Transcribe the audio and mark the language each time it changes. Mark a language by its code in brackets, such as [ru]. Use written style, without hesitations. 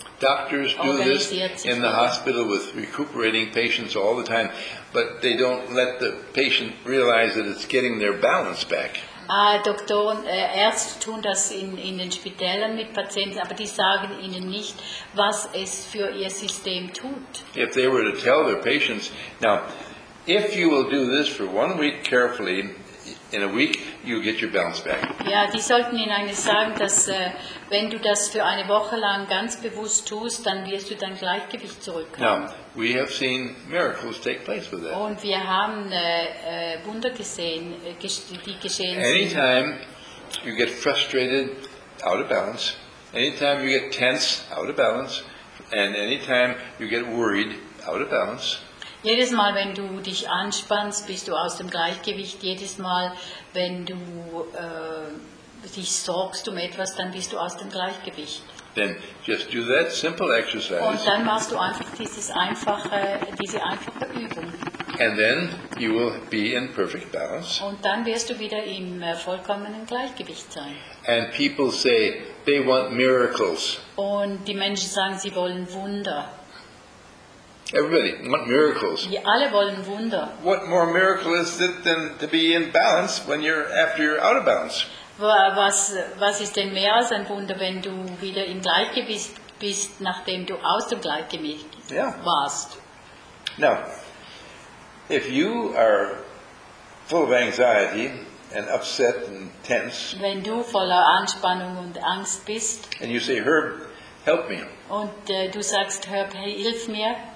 [en] Doctors do this in the hospital with recuperating patients all the time, but they don't let the patient realize that it's getting their balance back. [de] Doktoren, Ärzte tun das in den Spitälern mit Patienten, aber die sagen ihnen nicht, was es für ihr System tut. [en] If they were to tell their patients, now, if you will do this for 1 week carefully, In a week, you get your balance back. [de] Ja, die sollten Ihnen eigentlich sagen, dass wenn du das für eine Woche lang ganz bewusst tust, dann wirst du dein Gleichgewicht zurückhaben. [en] Now, we have seen miracles take place with that. [de] Und wir haben Wunder gesehen, die geschehen [en] sind. Anytime you get frustrated, out of balance. Anytime you get tense, out of balance. And anytime you get worried, out of balance. [de] Jedes Mal, wenn du dich anspannst, bist du aus dem Gleichgewicht. Jedes Mal, wenn du dich sorgst um etwas, dann bist du aus dem Gleichgewicht. [en] Then just do that simple exercise. [de] Und dann machst du einfach diese einfache Übung. [en] And then you will be in perfect balance. [de] Und dann wirst du wieder im vollkommenen Gleichgewicht sein. [en] And people say they want miracles. [de] Und die Menschen sagen, sie wollen Wunder. [en] Everybody want miracles. [de] Ja, alle wollen Wunder. [en] What more miracle is it than to be in balance when you're after you're out of balance? [de] Was ist denn mehr als ein Wunder, wenn du wieder im Gleichgewicht bist, nachdem du aus dem Gleichgewicht warst? [en] Now, if you are full of anxiety and upset and tense, [de] wenn du voller Anspannung und Angst bist, [en] and you say, Herb, help me. [de] Und du sagst, Herb, hey, hilf mir.